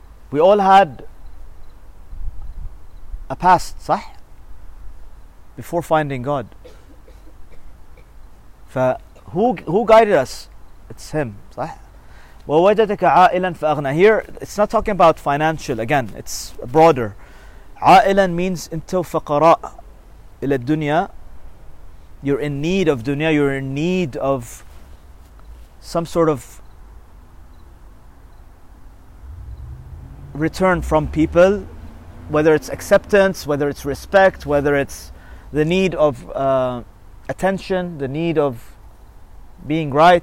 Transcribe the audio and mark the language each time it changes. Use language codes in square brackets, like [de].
[en] We all had a past, صح? Before finding God. Who guided us? It's Him, صح? [ar] وَوَجَدَكَ عَائِلًا فَأَغْنَى. [en] Here, it's not talking about financial, again, it's broader. [ar] عَائِلًا [en] means [ar] أنتو فقراء إلى الدنيا. [en] You're in need of dunya, you're in need of some sort of return from people, whether it's acceptance, whether it's respect, whether it's the need of attention, the need of being right.